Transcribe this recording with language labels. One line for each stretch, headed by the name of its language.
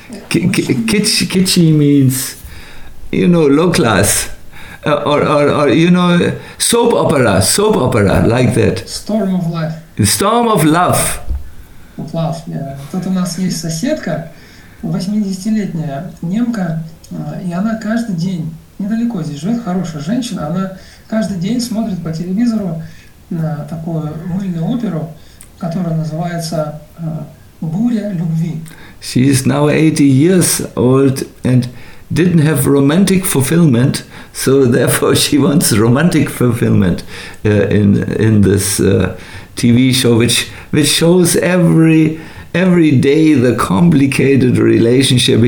English: Kitschy means, you know, low class, or you know, soap opera, like that. Storm of Love. Storm of Love. Of love, yeah.
Russian: Тут у нас есть соседка, 80-летняя немка, и она каждый день, недалеко здесь живет, хорошая женщина, она каждый день смотрит по телевизору на такую мыльную оперу, которая называется «Буря любви».
English: She is now 80 years old and didn't have romantic fulfillment, so therefore she wants romantic fulfillment in this TV show, which shows every day the complicated relationship.